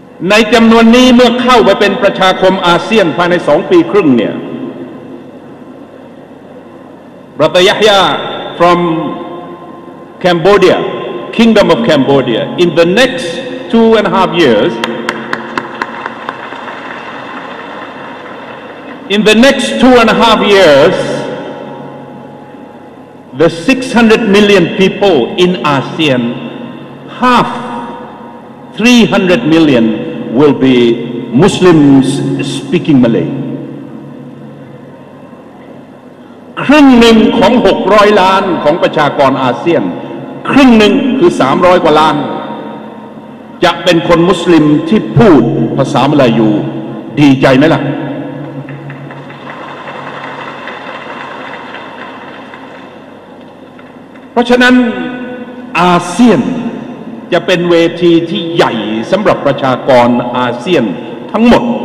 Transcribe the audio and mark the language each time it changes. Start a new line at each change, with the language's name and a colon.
Thai: ในจำนวนนี้เมื่อเข้าไปเป็นประชาคมอาเซียนภายใน2ปีครึ่งเนี่ยบรัตยะฮยา
English: from Cambodia Kingdom of Cambodia in the next 2.5 years In the next 2.5 years, the 600 million people in ASEAN, half, 300 million, will be Muslims speaking Malay.
Thai: ครึ่งหนึ่งของ600ล้านของประชากรอาเซียนครึ่งหนึ่งคือ300กว่าล้านจะเป็นคนมุสลิมที่พูดภาษามลายูดีใจไหมล่ะ เพราะฉะนั้นอาเซียนจะเป็นเวทีที่ใหญ่สำหรับประชากรอาเซียนทั้งหมด